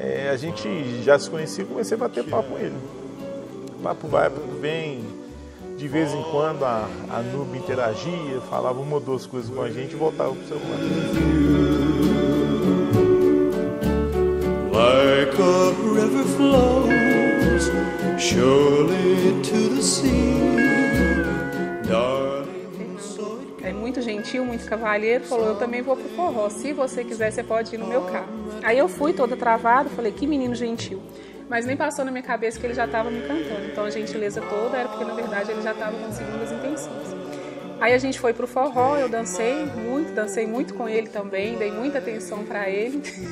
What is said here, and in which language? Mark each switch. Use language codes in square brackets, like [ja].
[pt] A gente já se conhecia e comecei a bater papo com ele. Papo vai, papo vem. De vez em quando a Nube interagia, falava uma ou duas coisas com a gente e voltava pro seu quarto. [en] Like a river flows, surely to the sea. [pt] muito gentil, muito cavalheiro, falou, eu também vou pro forró, se você quiser, você pode ir no meu carro. Aí eu fui toda travada, falei, que menino gentil. Mas nem passou na minha cabeça que ele já estava me cantando. Então a gentileza toda era porque, na verdade, ele já estava com segundas intenções. Aí a gente foi pro forró, eu dancei muito com ele também, dei muita atenção para ele.